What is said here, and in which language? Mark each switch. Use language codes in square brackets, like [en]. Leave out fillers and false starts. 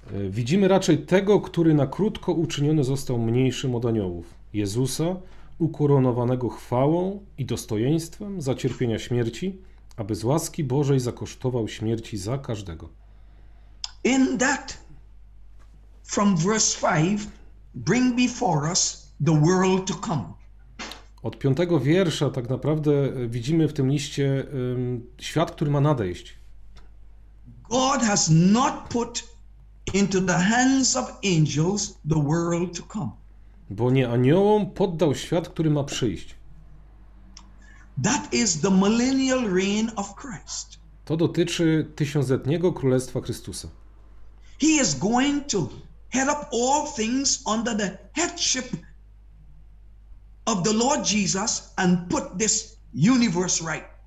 [pl] Widzimy raczej tego, który na krótko uczyniony został mniejszym od aniołów, Jezusa, ukoronowanego chwałą i dostojeństwem za cierpienia śmierci, aby z łaski Bożej zakosztował śmierci za każdego. [en] In that, from verse 5, bring before us the world to come. [pl] Od piątego wiersza tak naprawdę widzimy w tym liście świat, który ma nadejść. [en] God has not put into the hands of angels the world to come. [pl] Bo nie aniołom poddał świat, który ma przyjść. [en] That is the millennial reign of Christ. [pl] To dotyczy tysiącletniego królestwa Chrystusa. [en] He is going to head up all things under the headship of the Lord Jesus and put this universe right.